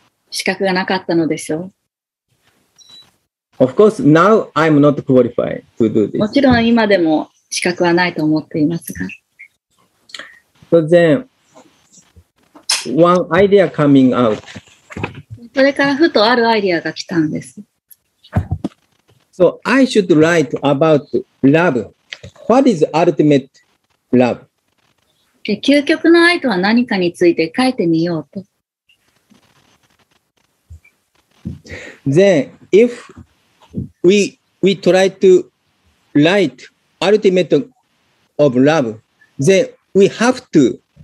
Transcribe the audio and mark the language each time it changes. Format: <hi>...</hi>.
<ja>資格がなかったのでしょう。</ja> <en>Of course, now I'm not qualified to do this.</en> <ja>もちろん今でも資格はないと思っていますが。</ja> <en>So then,One idea coming out.</en> <ja>それからふとあるアイデアが来たんです。</ja> <en>So I should write about love. What is ultimate love?</en> <ja>で、究極の愛とは何かについて書いてみようと。</ja> <en>Then if we try to write ultimate of love, then we have to.</en>